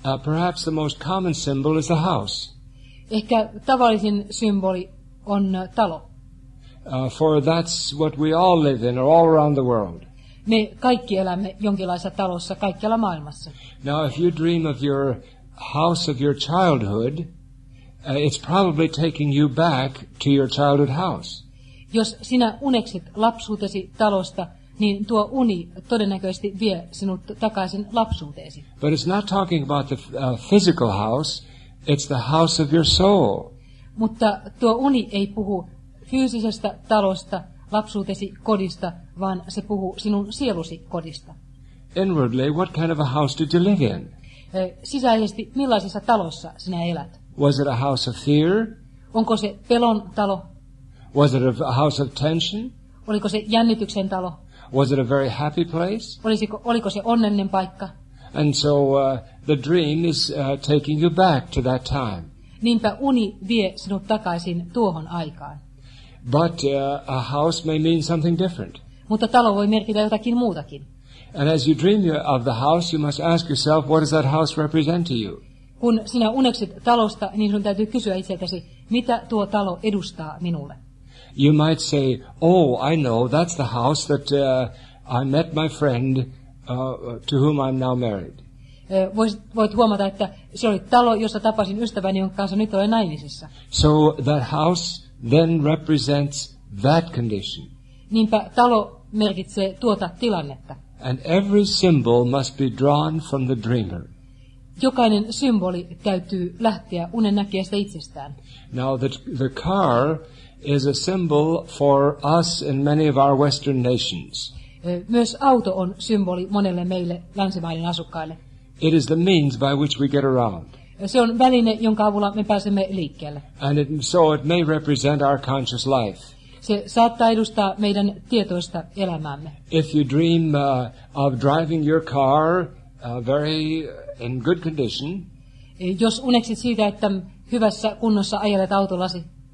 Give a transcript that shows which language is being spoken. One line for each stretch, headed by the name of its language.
English: Perhaps the most common symbol is the house.
Finnish: Ehkä tavallisin symboli on talo.
English: For that's what we all live in, or all around the world.
Finnish: Me kaikki elämme jonkinlaisessa talossa kaikkialla maailmassa.
English: Now if you dream of your house of your childhood, it's probably taking you back to your childhood house.
Finnish: Jos sinä uneksit lapsuutesi talosta, niin tuo uni todennäköisesti vie sinut takaisin lapsuuteesi.
English: But it's not talking about the physical house, it's the house of your soul.
Finnish: Mutta tuo uni ei puhu fyysisestä talosta, lapsuutesi kodista, vaan se puhuu sinun sielusi kodista.
English: Inwardly, what kind of a house did you live in?
Finnish: Sisäisesti, millaisessa talossa sinä elät?
English: Was it a house of fear?
Finnish: Onko se pelon talo?
English: Was it a house of tension?
Finnish: Oliko se jännityksen talo?
English: Was it a very happy place?
Finnish: Oliko se onnellinen paikka?
English: And so the dream is taking you back to that time.
Finnish: Niinpä uni vie sinut takaisin tuohon aikaan.
English: But a house may mean something different.
Finnish: Mutta talo voi merkitä jotakin muutakin.
English: And as you dream of the house, you must ask yourself, what does that house represent to you?
Finnish: Kun sinä uneksit talosta, niin sinun täytyy kysyä itseltäsi, mitä tuo talo edustaa minulle?
English: You might say, oh, I know, that's the house that I met my friend to whom I'm now married.
Finnish: Voit huomata, että se oli talo, jossa tapasin ystäväni, jonka kanssa nyt olen naimisissa.
English: So that house then represents that condition.
Finnish: Niinpä talo merkitsee tuota tilannetta.
English: And every symbol must be drawn from the dreamer.
Finnish: Jokainen symboli täytyy lähteä unen näkijästä itsestään.
English: Now the car is a symbol for us in many of our Western nations.
Finnish: Myös auto on symboli monelle meille länsimaiden asukkaille.
English: It is the means by which we get around.
Finnish: Se on väline, jonka avulla me pääsemme liikkeelle.
English: And it may represent our conscious life.
Finnish: Se saattaa edustaa meidän tietoista elämäämme.
English: If you dream of driving your car very in good condition,
Finnish: jos uneksit siitä, että hyvässä kunnossa ajelet autolasi,